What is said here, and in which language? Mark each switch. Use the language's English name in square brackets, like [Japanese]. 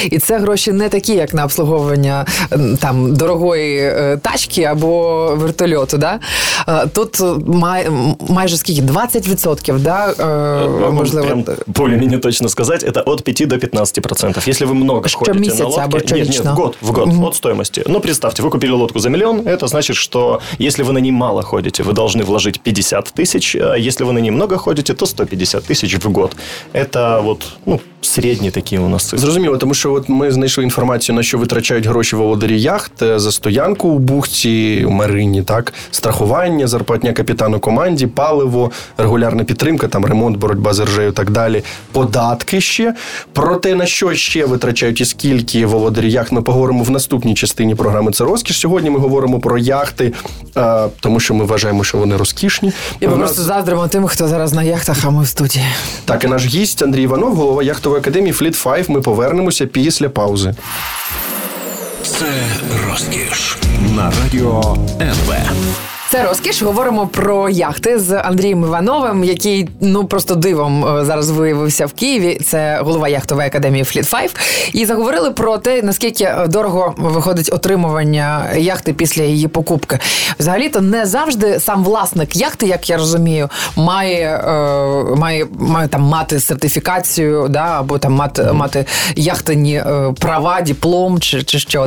[Russian] И это [Ukrainian] гроші не такі, як на обслуговування там дорогої тачки або вертольоту, да? Тут майже скільки? 20%, да? Можливо, [Russian] более-менее [Ukrainian] точно сказати, це від 5 до 15%. Якщо ви много ходите на лодки, ні, [Russian] в год, от стоимости. Ну, представьте, ви купили лодку за миллион, это значит, что если вы на ней мало ходите, вы должны вложить 50 тысяч, а если вы на ней много ходите, то 150 тысяч в год. Это вот, ну, [Ukrainian] средні такі [Russian] у нас цифри. [Ukrainian] Зрозуміло, тому що от ми знайшли інформацію, на що витрачають гроші володарі яхт за стоянку у бухті, у Марині, так? Страхування, зарплатня капітану команді, паливо, регулярна підтримка, там ремонт, боротьба з ржею і так далі, податки ще. Про те, на що ще витрачають і скільки володарі яхт, ми поговоримо в наступній частині програми «Це розкіш». Сьогодні ми говоримо про яхти, тому що ми вважаємо, що вони розкішні. І ми просто заздримо тим, хто зараз на яхтах, а ми в студії. Так, і наш гість Андрій Іванов, голова яхт в Академії Fleet Five. Ми повернемося після паузи. Це розкіш на радіо НВ. Це розкіш. Говоримо про яхти з Андрієм Івановим, який, ну, просто дивом зараз виявився в Києві. Це голова яхтової академії Fleet Five. І заговорили про те, наскільки дорого виходить отримування яхти після її покупки. Взагалі-то не завжди сам власник яхти, як я розумію, має там мати сертифікацію, да, або там мати яхтені права, диплом чи що.